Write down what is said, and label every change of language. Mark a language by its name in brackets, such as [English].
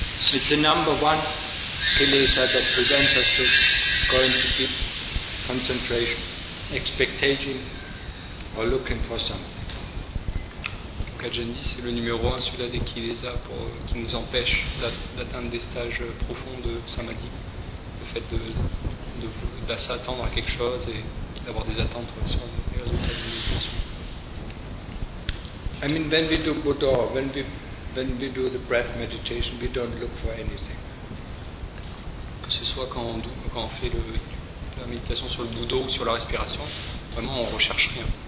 [English] It's the number one kilesa that prevents us from going to deep concentration, expectation, or looking for something. [French] Ajahn dit, c'est le numéro un celui-là des kilesa qui nous empêche d'atteindre des stages profonds de samadhi, le fait de s'attendre à quelque chose et d'avoir des attentes sur les résultats de méditation. [English] I mean, when we do Buddha, when we do the breath meditation, we don't look for anything. [French] Que ce soit quand on fait la méditation sur le Buddha ou sur la respiration, vraiment on recherche rien.